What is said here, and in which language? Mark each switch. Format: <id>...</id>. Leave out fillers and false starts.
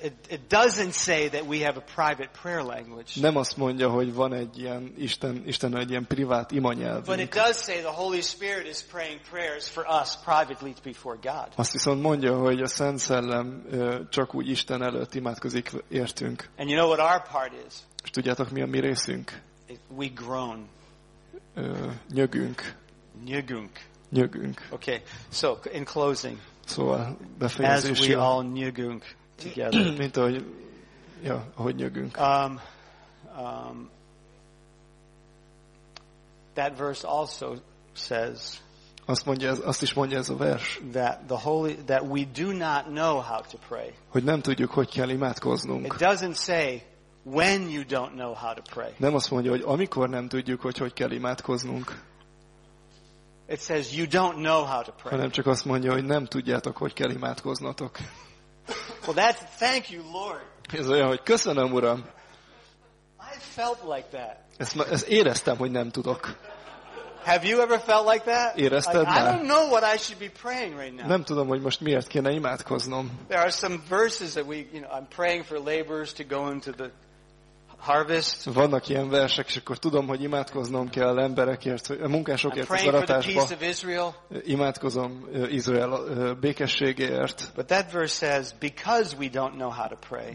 <en>It doesn't say that we have a private prayer language.</en> <hu>Nem azt mondja, hogy van egy ilyen Isten egy ilyen privát imanyelvünk.</hu> <en>But it does say the Holy Spirit is praying prayers for us privately before God.</en> <hu>Azt viszont mondja, hogy a Szent Szellem csak úgy Isten előtt imádkozik értünk.</hu> <en>And you know what our part is?</en> <hu>És tudjátok, mi a mi részünk?</hu> <en>We groan.</en> <hu>Nyögünk. Nyögünk.</hu> <en>Okay, so in closing,</en> <hu>szóval befejezésül,</hu> <en>as we all</en> <hu>nyögünk</hu> <en>together,</en> <hu>mint ahogy, ja, ahogy nyögünk.</hu> <en>That verse also says,</en> <hu>azt is mondja ez a vers,</hu> <en>that we do not know how to pray.</en> <hu>Hogy nem tudjuk, hogy kell imádkoznunk.</hu> <en>It doesn't say when you don't know how to pray.</en> <hu>Nem azt mondja, hogy amikor nem tudjuk, hogy kell imádkoznunk.</hu> <en>It says you don't know how to pray.</en> <hu>Hanem csak azt mondja, hogy nem tudjátok, hogy kell imádkoznatok.</hu> <en>Well, that's thank you, Lord.</en> <hu>Ez olyan, hogy köszönöm, Uram.</hu> <en>I felt like that.</en> <hu>Ezt éreztem, hogy nem tudok.</hu> <en>Have you ever felt like that?</en> <hu>Érezted már?</hu> <en>I don't know what I should be praying right now.</en> <hu>Nem tudom, hogy most miért kéne imádkoznom.</hu> <en>There are some verses that we, you know, I'm praying for laborers to go into the harvest.</en> <hu>Vannak ilyen versek, és akkor tudom, hogy imádkoznom kell emberekért, a munkásokért az aratásba. Imádkozom Izrael békességéért.</hu> <en>But that verse says because we don't know how to pray.</en>